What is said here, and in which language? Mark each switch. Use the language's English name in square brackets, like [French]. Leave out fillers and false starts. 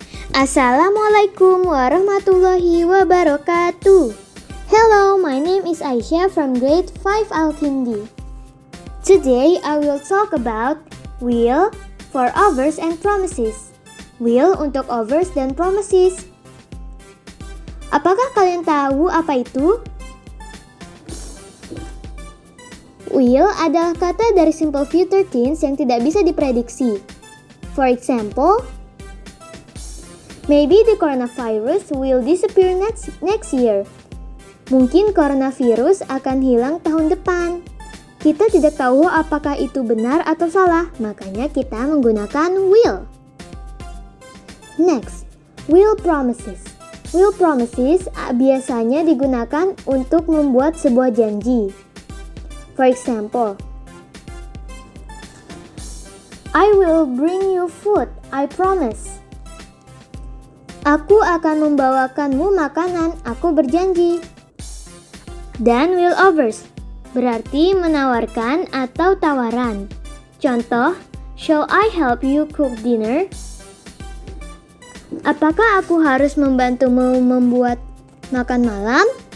[Arabic] Assalamualaikum warahmatullahi wabarakatuh! [English] Hello, my name is Aisha from Grade 5 Al-Kindi. Today, I will talk about Wheel for Offers and Promises. [Indonesian] Wheel untuk offers dan promises. Apakah kalian tahu apa itu? Wheel adalah kata dari simple future tense yang tidak bisa diprediksi. [English] For example, maybe the coronavirus will disappear next year. [Indonesian] Mungkin coronavirus akan hilang tahun depan. Kita tidak tahu apakah itu benar atau salah, makanya kita menggunakan will. [English] Next, will promises. [Indonesian] Will promises biasanya digunakan untuk membuat sebuah janji. [English] For example, I will bring you food, I promise. [Indonesian] Aku akan membawakanmu makanan, aku berjanji. Dan will offers, berarti menawarkan atau tawaran. Contoh, [English] shall I help you cook dinner? [Indonesian] Apakah aku harus membantumu membuat makan malam?